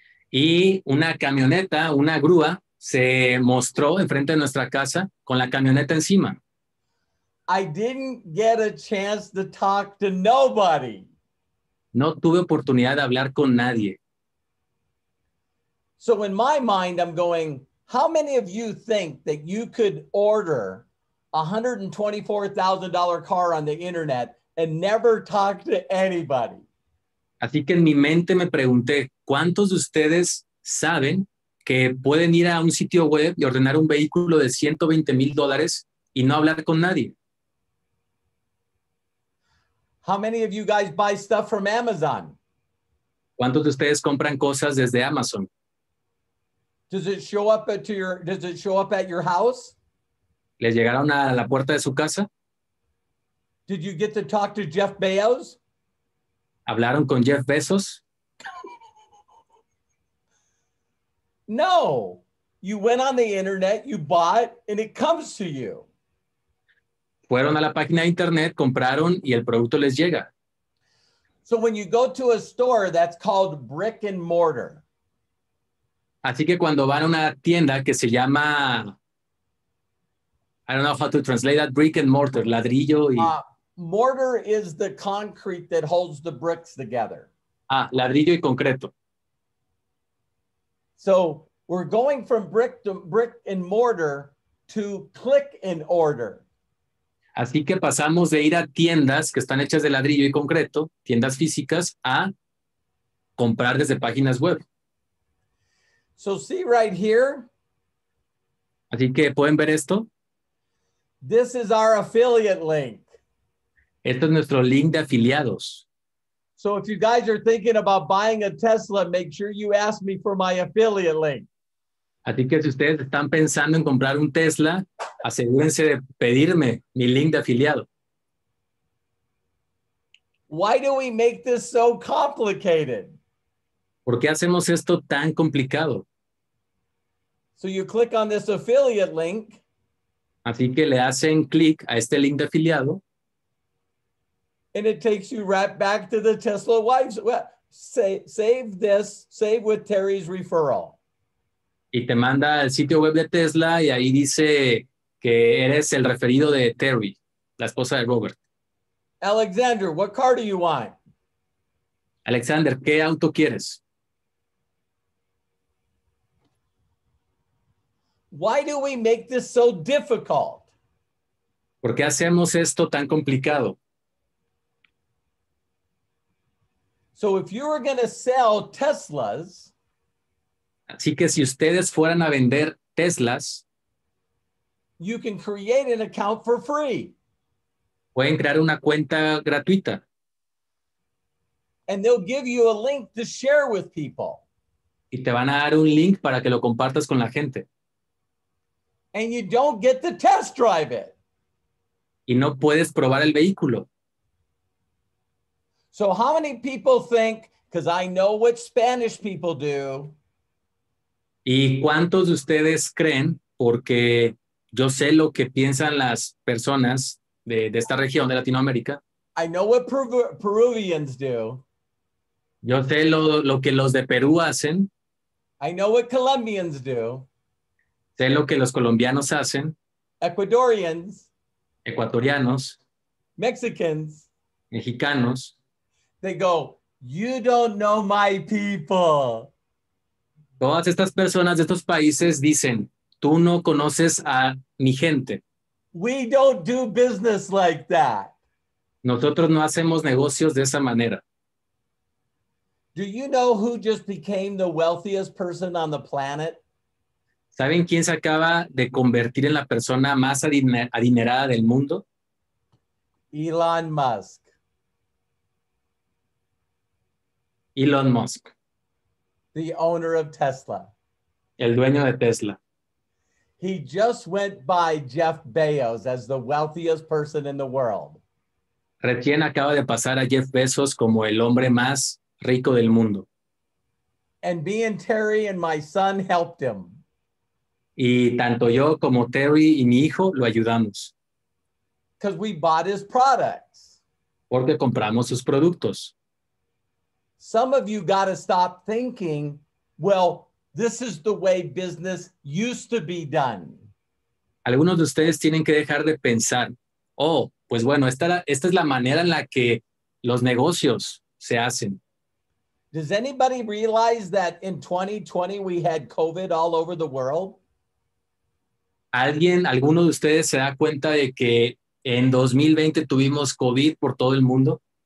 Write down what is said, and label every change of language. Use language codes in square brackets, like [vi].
[es] Y una camioneta, una grúa, se mostró enfrente de nuestra casa con la camioneta encima. [en] I didn't get a chance to talk to nobody. [es] No tuve oportunidad de hablar con nadie. [en] So in my mind, I'm going, how many of you think that you could order a $124,000 car on the internet and never talk to anybody? [es] Así que en mi mente me pregunté, ¿cuántos de ustedes saben que pueden ir a un sitio web y ordenar un vehículo de $120,000 y no hablar con nadie? [en] How many of you guys buy stuff from Amazon? [es] ¿Cuántos de ustedes compran cosas desde Amazon? [en] Does it show up at your house? [es] ¿Les llegaron a la puerta de su casa? [en] Did you get to talk to Jeff Bezos? [es] ¿Hablaron con Jeff Bezos? [en] No. You went on the internet, you bought, and it comes to you. [es] Fueron a la página de internet, compraron y el producto les llega. [en] So when you go to a store, that's called brick and mortar. [es] Así que cuando van a una tienda que se llama, [en] I don't know how to translate that, brick and mortar, [es] ladrillo y... [en] Mortar is the concrete that holds the bricks together. [es] Ah, ladrillo y concreto. [en] So we're going from brick to brick and mortar to click and order. [es] Así que pasamos de ir a tiendas que están hechas de ladrillo y concreto, tiendas físicas, a comprar desde páginas web. [en] So see right here. [es] Así que pueden ver esto. [en] This is our affiliate link. [es] Esto es nuestro link de afiliados. [en] So if you guys are thinking about buying a Tesla, make sure you ask me for my affiliate link. [es] Así que si ustedes están pensando en comprar un Tesla, asegúrense de pedirme mi link de afiliado. [en] Why do we make this so complicated? [es] ¿Por qué hacemos esto tan complicado? [en] So you click on this affiliate link. [es] Así que le hacen clic a este link de afiliado. [en] And it takes you right back to the Tesla wives. Well, save with Terry's referral. [es] Y te manda al sitio web de Tesla y ahí dice que eres el referido de Terry, la esposa de Robert. [en] Alexander, what car do you want? [es] Alexander, ¿qué auto quieres? [en] Why do we make this so difficult? [es] ¿Por qué hacemos esto tan complicado? [en] So if you were going to sell Teslas, [es] así que si ustedes fueran a vender Teslas, [en] you can create an account for free. [es] Pueden crear una cuenta gratuita. [en] And they'll give you a link to share with people. [es] Y te van a dar un link para que lo compartas con la gente. [en] And you don't get to test drive it. [es] Y no puedes probar el vehículo. [en] So how many people think, because I know what Spanish people do, [es] ¿y cuántos de ustedes creen, porque yo sé lo que piensan las personas de esta región de Latinoamérica? [en] I know what Peruvians do. [es] Yo sé lo que los de Perú hacen. [en] I know what Colombians do. [es] Sé lo que los colombianos hacen. [en] Ecuadorians. [es] Ecuatorianos. [en] Mexicans. [es] Mexicanos. [en] They go, you don't know my people. [es] Todas estas personas de estos países dicen, tú no conoces a mi gente. [en] We don't do business like that. [es] Nosotros no hacemos negocios de esa manera. [en] Do you know who just became the wealthiest person on the planet? [es] ¿Saben quién se acaba de convertir en la persona más adinerada del mundo? [en] Elon Musk. [es] Elon Musk. [en] The owner of Tesla. [es] El dueño de Tesla. [en] He just went by Jeff Bezos as the wealthiest person in the world. [es] Recién acaba de pasar a Jeff Bezos como el hombre más rico del mundo. [en] And me and Terry and my son helped him. [es] Y tanto yo como Terry y mi hijo lo ayudamos. [en] Because we bought his products. [es] Porque compramos sus productos. [en] Some of you got to stop thinking, well, this is the way business used to be done. [es] Algunos de ustedes tienen que dejar de pensar, oh, pues bueno, esta es la manera en la que los negocios se hacen. [en] Does anybody realize that in 2020 we had COVID all over the world? [es] ¿Alguien, alguno de ustedes se da cuenta de que en 2020 tuvimos COVID por todo el mundo?